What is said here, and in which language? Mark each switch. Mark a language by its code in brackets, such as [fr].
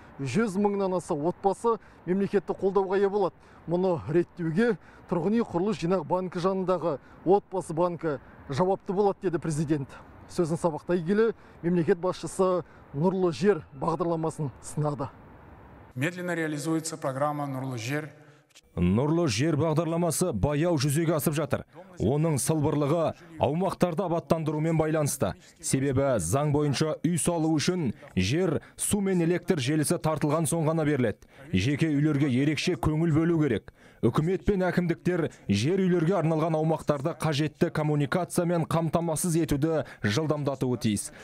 [kk] 100 мыңнан аса отбасы мемлекетті қолдауға ие болады. Мұны реттеуге Тұрғын үй құрылыс жинақ банкі жанындағы отбасы банкі жауапты болады, деді президент. Сөзін сабақтай келе мемлекет басшысы Нұрлы жер бағдарламасын сынады. [ru] Медленно реализуется программа Нұрлы жер. [kk] Нұрлы жер бағдарламасы баяу жүзеге асып жатыр. Оның сылбырлығы аумақтарды абаттандырумен байланысты. Себебі заң бойынша үй салу үшін жер, су мен электр желісі тартылған соң ғана беріледі. Жеке үйлерге ерекше көңіл бөлу керек. Үкімет пен әкімдіктер жер үйлерге арналған аумақтарды қажетті коммуникациямен қамтамасыз етуді жылдамдатуы тиіс.